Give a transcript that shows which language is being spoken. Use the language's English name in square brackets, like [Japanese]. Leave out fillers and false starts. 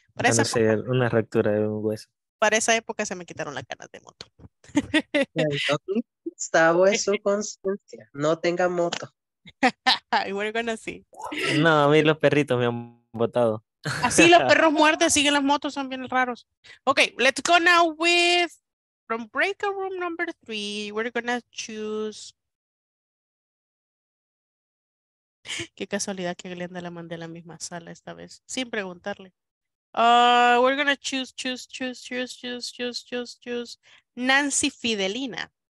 [Spanish] para hacer una ruptura de un hueso. para esa época se me quitaron las ganas de moto. Gustavo es su consulta. No tenga moto. Y bueno, así. No, a mí los perritos me han botado. Así los perros muertos siguen las motos, son bien raros. [English] Ok, let's go now with from breakout room number 3. We're gonna choose. [Spanish] Qué casualidad que Glenda la mandé a la misma sala esta vez, sin preguntarle. [English] We're gonna choose Nancy Fidelina.